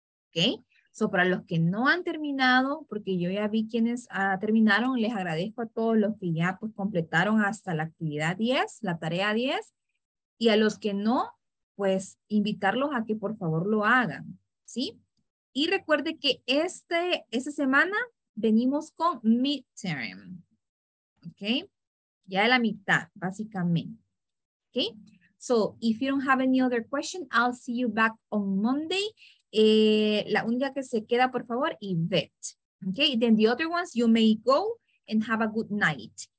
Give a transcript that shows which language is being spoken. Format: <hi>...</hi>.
<es>¿Ok? So, para los que no han terminado, porque yo ya vi quienes terminaron, les agradezco a todos los que ya pues, completaron hasta la actividad 10, la tarea 10, y a los que no, pues invitarlos a que por favor lo hagan. ¿Sí? Y recuerde que esta semana venimos con midterm, ¿ok? Ya de la mitad, básicamente, ¿ok?</es> <en>So, if you don't have any other question, I'll see you back on Monday.</en> <es>La única que se queda, por favor, Yvette, ¿ok?</es> <en>Then the other ones, you may go and have a good night.</en>